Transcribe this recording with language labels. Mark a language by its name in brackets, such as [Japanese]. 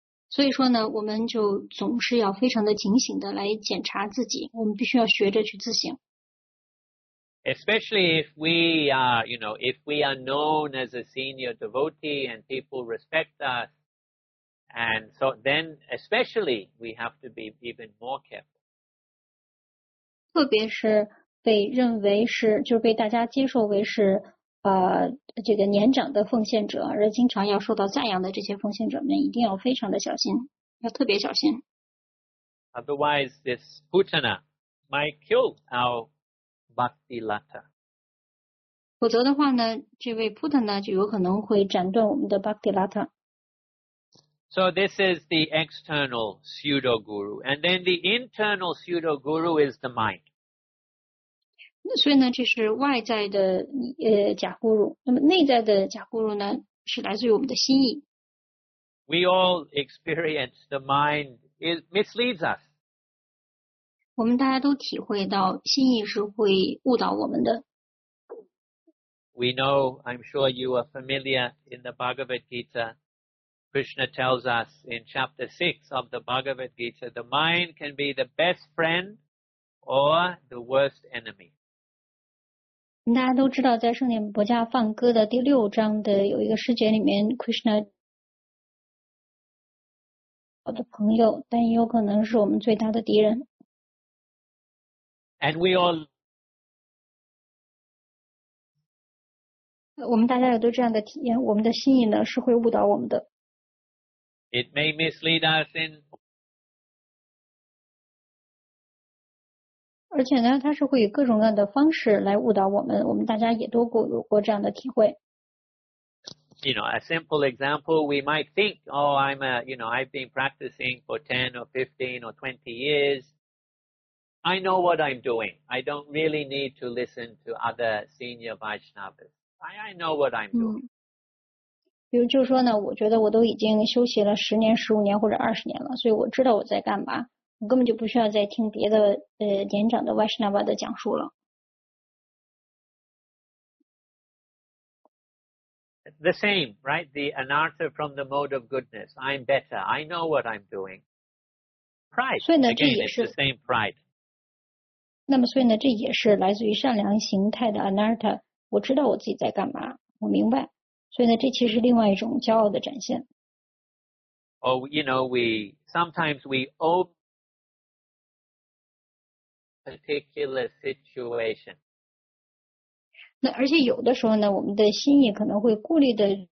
[Chinese] 所以说呢，我们就总是要非常的警醒的来检查自己，我们必须要学着去自省。 [English] Especially if we are, you know, if we are known as a senior devotee and people respect us, and so then especially we have to be even more careful. [Chinese] 特别是被认为是就是被大家接受为是这个年长的奉献者而经常要受到赞扬的这些奉献者们一定要非常的小心，要特别小心。 [English] Otherwise, this putana might kill our bhakti lata. [Chinese] 否则的话呢，这位 putana 就有可能会斩断我们的 bhakti lata。 [English] So this is the external pseudo-guru. And then the internal pseudo-guru is the mind. [Chinese] 所以呢这是外在的假guru。那么内在的假guru呢是来自于我们的心意。 [English] We all experience the mind misleads us. [Chinese] 我们大家都体会到心意是会误导我们的。 [English] We know, I'm sure you are familiar in the Bhagavad Gita,Krishna tells us in chapter 6 of the Bhagavad Gita, the mind can be the best friend or the worst enemy. [Chinese] 大家都知道在圣典薄伽梵歌的第六章的有一个诗节里面 Krishna 好的朋友但也有可能是我们最大的敌人。 [English] And we all [Chinese] 我们大家有都这样的体验我们的心意呢是会误导我们的。 [English] It may mislead us in. [Chinese] 而且呢，它是会以各种各样的方式来误导我们。我们大家也都有过这样的体会。 [English] You know, a simple example, we might think, "Oh, I'm a, you know, I've been practicing for 10 or 15 or 20 years. I know what I'm doing. I don't really need to listen to other senior Vaishnavas. I know what I'm doing." [Chinese] 比如就说呢我觉得我都已经休息了十年十五年或者二十年了所以我知道我在干嘛我根本就不需要再听别的年长的 Vaishnava 的讲述了。 [English] The same, right? The anartha from the mode of goodness. I'm better. I know what I'm doing. Pride. [Chinese] 所以呢 [English] Again, [Chinese] 这也是 [English] the same pride. [Chinese] 那么所以呢这也是来自于善良形态的 anartha. 我知道我自己在干嘛我明白。所以呢，这其实是另外一种骄傲的展现。 [English] Oh, you know, we sometimes we own particular situation. [Chinese] 那而且有的时候呢，我们的心意可能会顾虑的。